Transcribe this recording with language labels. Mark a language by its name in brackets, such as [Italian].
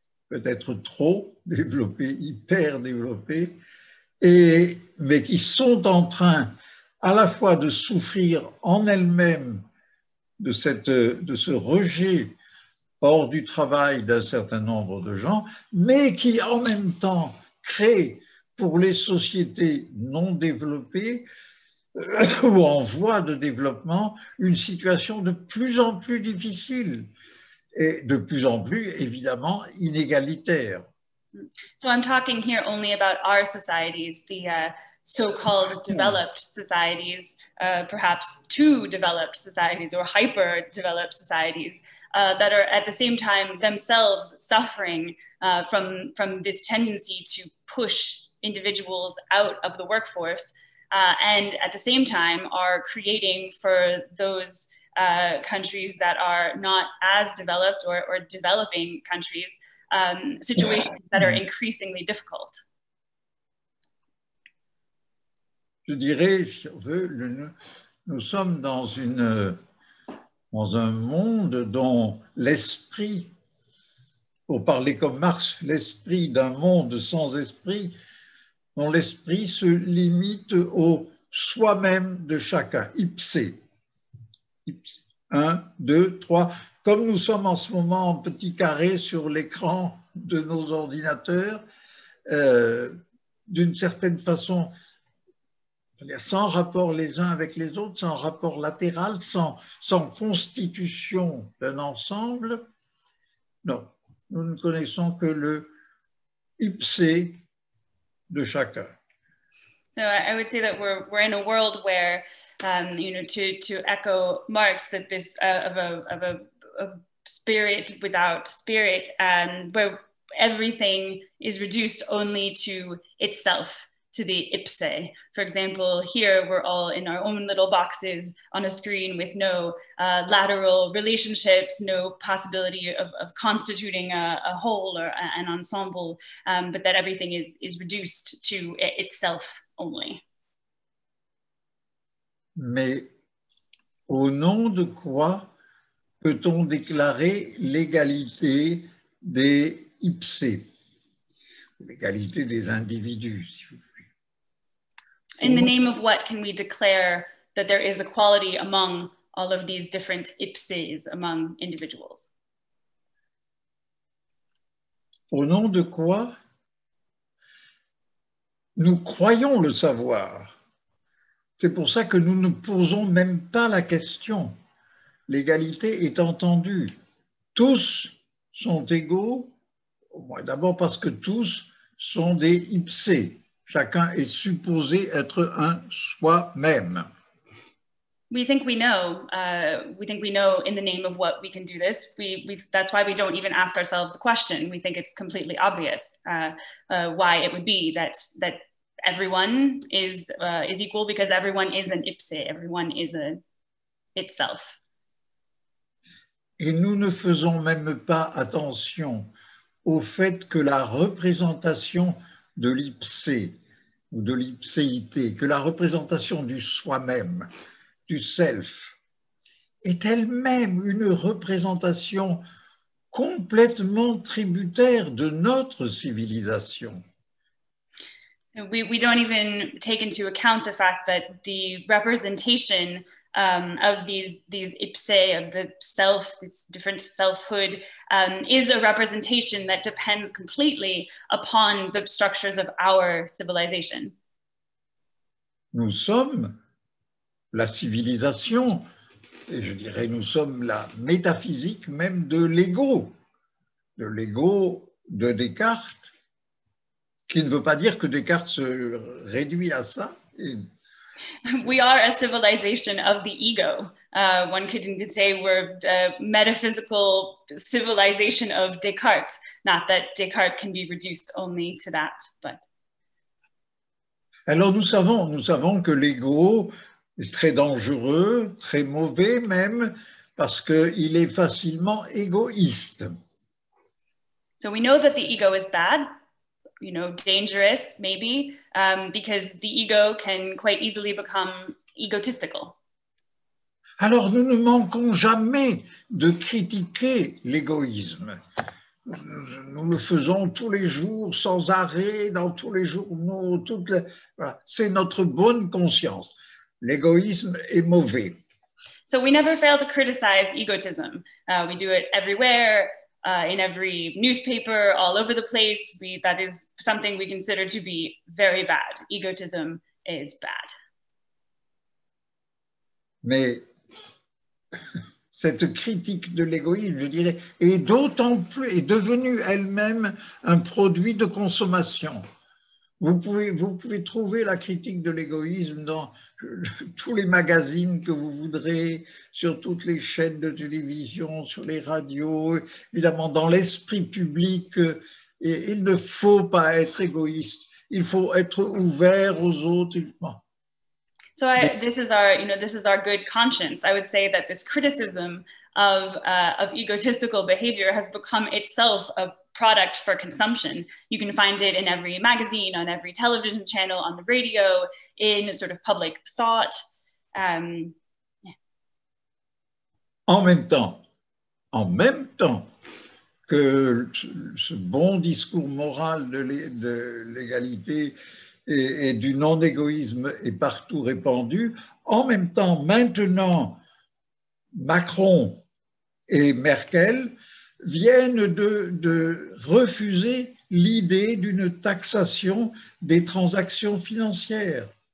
[French] peut-être trop développées, hyper développées, mais qui sont en train à la fois de souffrir en elles-mêmes de ce rejet hors du travail d'un certain nombre de gens, mais qui en même temps créent pour les sociétés non développées ou en voie de développement une situation de plus en plus difficile et de plus en plus évidemment inégalitaire. [English] So I'm talking here only about our societies, the so-called developed societies, perhaps too developed societies or hyper-developed societies that are at the same time themselves suffering from this tendency to push individuals out of the workforce and at the same time are creating for those countries that are not as developed or developing countries, situations that are increasingly difficult. [French] Je dirais, si on veut, nous sommes dans une dans un monde dont l'esprit, pour parler comme Marx, l'esprit d'un monde sans esprit, dont l'esprit se limite au soi-même de chacun, ipsé. Un, deux, trois, comme nous sommes en ce moment en petit carré sur l'écran de nos ordinateurs, d'une certaine façon, sans rapport les uns avec les autres, sans rapport latéral, sans constitution d'un ensemble, non, nous ne connaissons que le ipsé de chacun. [English] So I would say that we're in a world where, you know, to echo Marx, that this of a spirit without spirit, and where everything is reduced only to itself, to the ipse. For example, here we're all in our own little boxes on a screen with no lateral relationships, no possibility of constituting a whole or an ensemble, but that everything is reduced to itself. Only. [French] Mais au nom de quoi peut-on déclarer l'égalité des ipsé, l'égalité des individus, si vous voulez? [English] In the name of what can we declare that there is equality among all of these different ipses, among individuals? [French] Au nom de quoi nous croyons le savoir. C'est pour ça que nous ne posons même pas la question. L'égalité est entendue. Tous sont égaux, au moins d'abord parce que tous sont des ipsé. Chacun est supposé être un soi-même. [English] We think we know in the name of what we can do this. We that's why we don't even ask ourselves the question. We think it's completely obvious why it would be that everyone is equal, because everyone is an ipse, everyone is an itself. [French] Et nous ne faisons même pas attention au fait que la représentation de l'ipse ou de l'ipséité, que la représentation du soi-même, du self, est elle-même une représentation complètement tributaire de notre civilisation. [English] We don't even take into account the fact that the representation of these ipse, of the self, this different selfhood, is a representation that depends completely upon the structures of our civilization. [French] Nous sommes la civilisation, et je dirais nous sommes la métaphysique même de l'ego de Descartes, qui ne veut pas dire que Descartes se réduit à ça. [English] We are a civilization of the ego. One could even say we're the metaphysical civilization of Descartes. Not that Descartes can be reduced only to that, but. [French] Alors nous savons que l'ego est très dangereux, très mauvais même, parce qu'il est facilement égoïste. [English] So we know that the ego is bad. You know, dangerous, maybe, because the ego can quite easily become egotistical. [French] Alors, nous ne manquons jamais de critiquer l'égoïsme. Nous le faisons tous les jours, sans arrêt, dans tous les journaux. C'est notre bonne conscience. L'égoïsme est mauvais. [English] So we never fail to criticize egotism. We do it everywhere. In every newspaper, all over the place, that is something we consider to be very bad. Egotism is bad. [French] Mais cette critique de l'égoïsme, je dirais, est d'autant plus, est devenue elle-même un produit de consommation. Vous pouvez trouver la critique de l'égoïsme dans tous les magazines que vous voudrez, sur toutes les chaînes de télévision, sur les radios, évidemment dans l'esprit public. Et il ne faut pas être égoïste, il faut être ouvert aux autres. [English] So this is our good conscience. I would say that this criticism of egotistical behavior has become itself a product for consumption. You can find it in every magazine, on every television channel, on the radio, in sort of public thought. [French] En même temps que ce bon discours moral de l'égalité et du non-égoïsme est partout répandu, en même temps, maintenant, Macron et Merkel viennent de refuser l'idée d'une taxation des transactions financières.